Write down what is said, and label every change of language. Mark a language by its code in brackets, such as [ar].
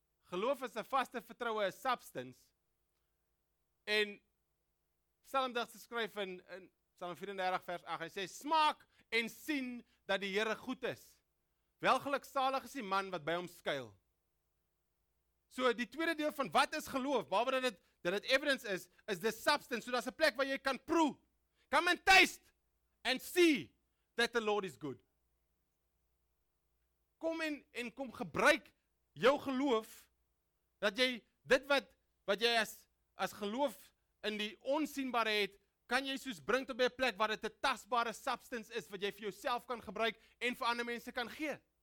[af] Geloof is 'n vaste vertroue, 'n substance. En Psalmdig se skryf in Psalm 34 vers 8, hy sê, smaak en sien dat die Here goed is. Welgelukzalig is die man wat by hom skuil. So die tweede deel van wat is geloof, behalwe dat dit evidence is, [en] is the substance, [af] so daar's 'n plek waar jy kan proe. [en] Come and taste and see that the Lord is good. [af] Kom en kom gebruik jou geloof, dat jy dit wat jy as geloof in die onsigbare het, kan jy soos bring tot by 'n plek waar dit 'n tasbare substance is wat jy vir jouself kan gebruik en vir ander mense kan gee.